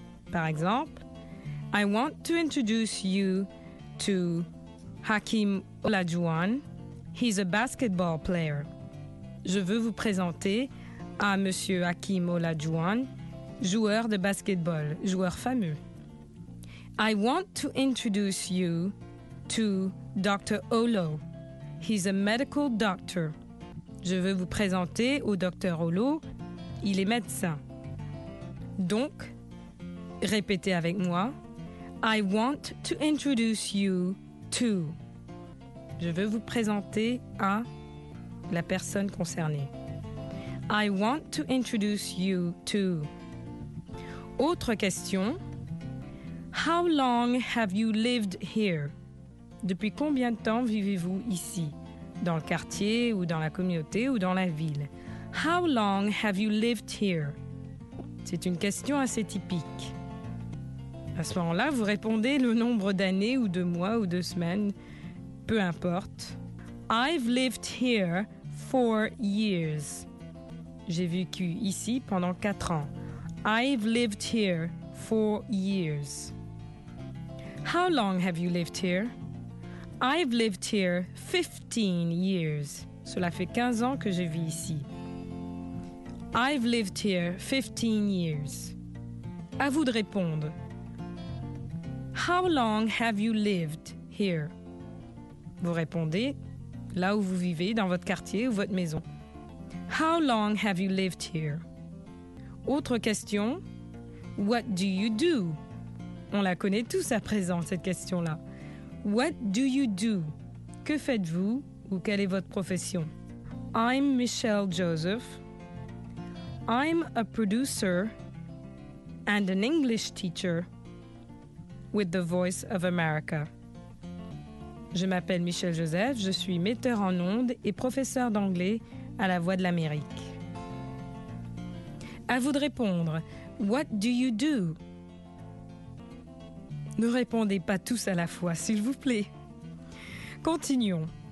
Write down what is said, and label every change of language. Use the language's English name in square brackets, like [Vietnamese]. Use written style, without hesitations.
[French] Par exemple, [English] « I want to introduce you to Hakeem Olajuwon. He's a basketball player. [French] » Je veux vous présenter à Monsieur Hakeem Olajuwon, joueur de basketball, joueur fameux. [English] I want to introduce you to Dr. Olo. He's a medical doctor. [French] Je veux vous présenter au Dr. Olo. Il est médecin. Donc, répétez avec moi. [English] I want to introduce you to. [French] Je veux vous présenter à la personne concernée. [English] I want to introduce you to. [French] Autre question. [English] How long have you lived here? [French] Depuis combien de temps vivez-vous ici? Dans le quartier ou dans la communauté ou dans la ville? [English] How long have you lived here? [French] C'est une question assez typique. À ce moment-là, vous répondez le nombre d'années ou de mois ou de semaines. Peu importe. [English] I've lived here 4 years. [French] J'ai vécu ici pendant 4 ans. [English] I've lived here 4 years. How long have you lived here? I've lived here 15 years. [French] Cela fait 15 ans que je vis ici. [English] I've lived here 15 years. [French] À vous de répondre. [English] How long have you lived here? [French] Vous répondez là où vous vivez, dans votre quartier ou votre maison. [English] How long have you lived here? [French] Autre question. [English] What do you do? [French] On la connaît tous à présent, cette question-là. [English] What do you do? [French] Que faites-vous ou quelle est votre profession? [English] I'm Michelle Joseph. I'm a producer and an English teacher with the Voice of America. [French] Je m'appelle Michelle Joseph, je suis metteur en ondes et professeur d'anglais à la Voix de l'Amérique. À vous de répondre. [English] What do you do? [French] Ne répondez pas tous à la fois, s'il vous plaît. Continuons.